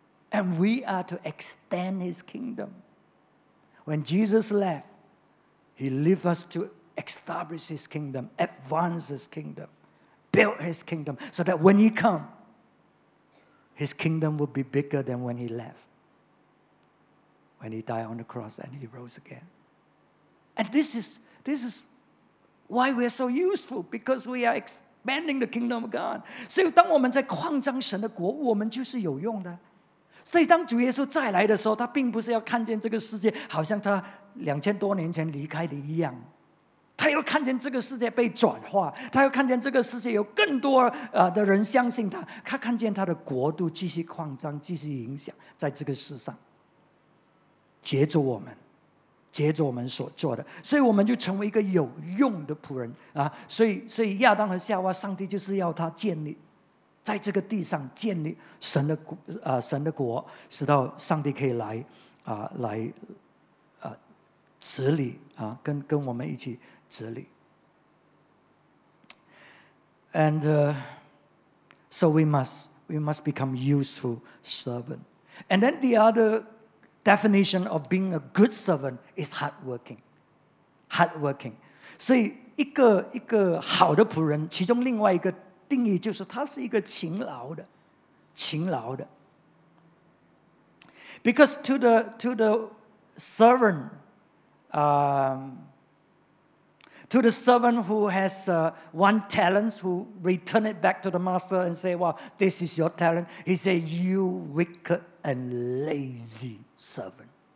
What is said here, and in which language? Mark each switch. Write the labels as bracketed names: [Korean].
[English] And we are to extend His kingdom. When Jesus left, He left us to establish His kingdom, advance His kingdom, build His kingdom, so that when He come, His kingdom will be bigger than when He left, when He died on the cross and He rose again. And this is why we are so useful? Because we are expanding the kingdom of God. [Chinese] 所以当我们在扩张神的国，我们就是有用的。所以当主耶稣再来的时候，他并不是要看见这个世界好像他2000多年前离开的一样，他要看见这个世界被转化，他要看见这个世界有更多的人相信他，他看见他的国度继续扩张，继续影响在这个世上，接着我们，接着我们所做的，所以我们就成为一个有用的仆人啊！所以亚当和夏娃，上帝就是要他建立在这个地上建立神的神的国，直到上帝可以来治理跟我们一起治理。 [English] And so we must become useful servant. And then the other definition of being a good servant is hardworking. Hardworking. [Chinese] 所以一个好的仆人，其中另外一个定义就是他是一个勤劳的，勤劳的。 [English] Because to the servant, to the servant who has one talent, who return it back to the master and say, "Well, this is your talent," he say, "You wicked and lazy servant.